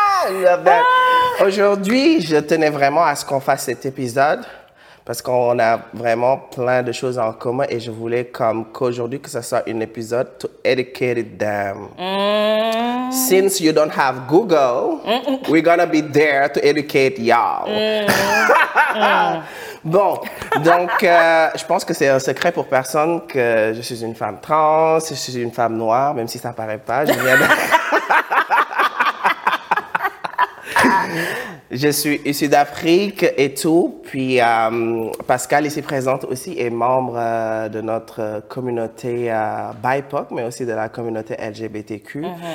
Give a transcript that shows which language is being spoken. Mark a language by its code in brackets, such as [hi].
[fr] Yeah, ben, aujourd'hui, je tenais vraiment à ce qu'on fasse cet épisode. Parce qu'on a vraiment plein de choses en commun et je voulais comme qu'aujourd'hui que ça soit un épisode [en] to educate them. Mm. Since you don't have Google, we're gonna be there to educate y'all. Mm. [fr] Bon, donc je pense que c'est un secret pour personne que je suis une femme trans, je suis une femme noire, même si ça paraît pas. Je viens de... Je suis issu d'Afrique et tout, puis Pascale ici présente aussi est membre de notre communauté BIPOC, mais aussi de la communauté LGBTQ. Mm-hmm.